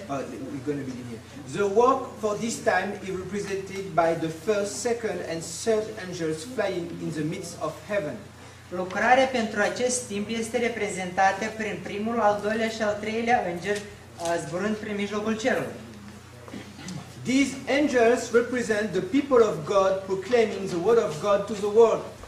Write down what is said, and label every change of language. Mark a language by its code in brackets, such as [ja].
[en] we're going to begin here. The work for this time is represented by the first, second and third angels flying in the midst of heaven. [ro] Lucrarea pentru acest timp este reprezentată prin primul, al doilea și al treilea înger zburând prin mijlocul cerului. [en] These angels represent the people of God proclaiming the word of God to the world.